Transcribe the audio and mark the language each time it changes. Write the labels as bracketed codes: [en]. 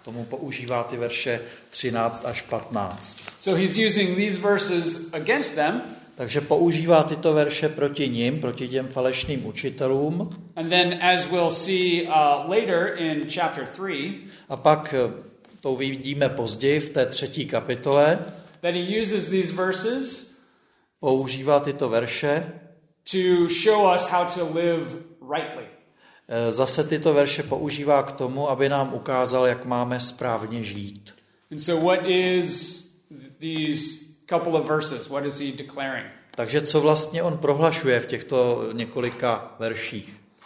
[cs] Tomu používá ty verše 13 až 15. [en] So he's using these verses against them. [cs] Takže používá tyto verše proti ním, proti těm falešným učitelům. [en] And then, as we'll see, later in chapter 3, [cs] a pak to uvidíme později v té třetí kapitole. [en] That he uses these verses [cs] používá tyto verše [en] to show us how to live rightly. [cs] Zase tyto verše používá k tomu, aby nám ukázal, jak máme správně žít. [en] And so what is these couple of verses? What is he declaring? [cs] Takže co vlastně on prohlašuje v těchto několika verších?